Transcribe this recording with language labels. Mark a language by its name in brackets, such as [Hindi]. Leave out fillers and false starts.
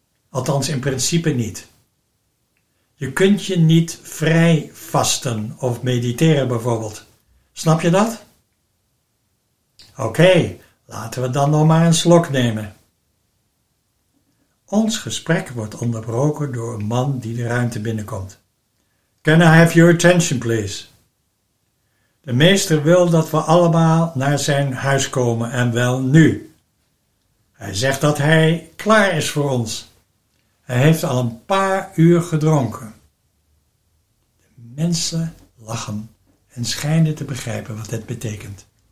[Dutch] Althans in principe niet. Je kunt je niet vrij vasten of mediteren bijvoorbeeld. Snap je dat? Oké, laten we dan nog maar een slok nemen. Ons gesprek wordt onderbroken door een man die de ruimte binnenkomt. [English] Can I have your attention, please? [Dutch] De meester wil dat we allemaal naar zijn huis komen en wel nu. Hij zegt dat hij klaar is voor ons. Hij heeft al een paar uur gedronken. De mensen lachen en schijnen te begrijpen wat dit betekent.